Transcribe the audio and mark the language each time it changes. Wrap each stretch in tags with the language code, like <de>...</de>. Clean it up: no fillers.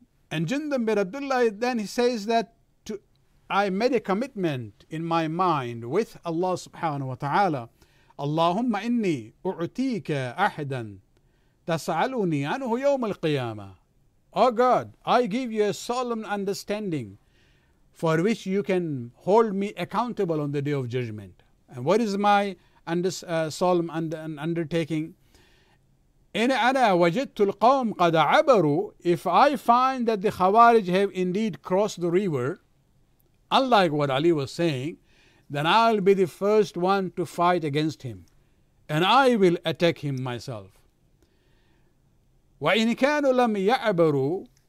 <en>And Jundam bin Abdullah then he says that I made a commitment in my mind with Allah subhanahu wa ta'ala,</en> <ar>اللهم إني أعطيك أحدا تسألني عنه يوم القيامة.</ar> <en>Oh God, I give you a solemn understanding for which you can hold me accountable on the day of judgment. And what is my solemn undertaking?</en> <ar>إن أنا وجدت القوم قد عبروا.</ar> <en>If I find that the Khawarij have indeed crossed the river, unlike what Ali was saying, then I'll be the first one to fight against him. And I will attack him myself.</en> <ar>وَإِنْ كَانُوا لَمْ يَعْبَرُوا.</ar>